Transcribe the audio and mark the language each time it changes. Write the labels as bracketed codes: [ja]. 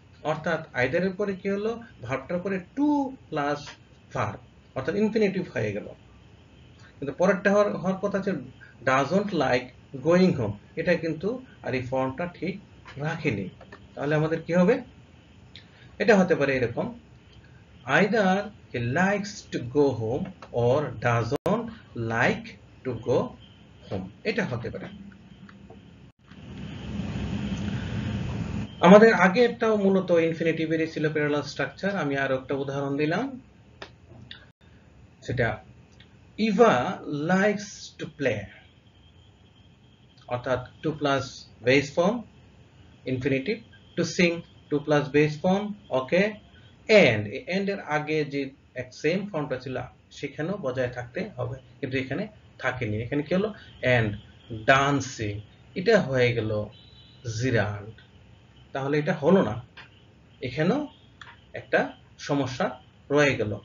[bn] অর্থাৎ আইদারের পরে কি হলো ভার্বটার পরে টু প্লাস ভার্ব, অর্থাৎ ইনফিনিটিভ হয়ে গেল, কিন্তু পরেরটা হওয়ার কথা আছে [en] doesn't like going home, [bn] এটা কিন্তু আর এই ফর্মটা ঠিক রাখেনি। তাহলে আমাদের কি হবে, এটা হতে পারে এরকম [en] either he likes to go home or doesn't like to go home. [bn] এটা হতে পারে। আমাদের আগে একটা মূলত ইনফিনিটিভেরই ছিল প্যারালাল স্ট্রাকচার, আমি আরো একটা উদাহরণ দিলাম, সেটা [en] Eva likes to play, [bn] অর্থাৎ two plus base form infinitive, two Singh two plus base form, okay, and and এর আগে যে এক সেম ফর্মটা ছিল সেখানেও বজায় থাকতে হবে, কিন্তু এখানে থাকেনি, এখানে কি হলো এন্ড ডান্সিং, এটা হয়ে গেল জিরান্ড, তাহলে এটা হলো না, এখানেও একটা সমস্যা রয়ে গেল।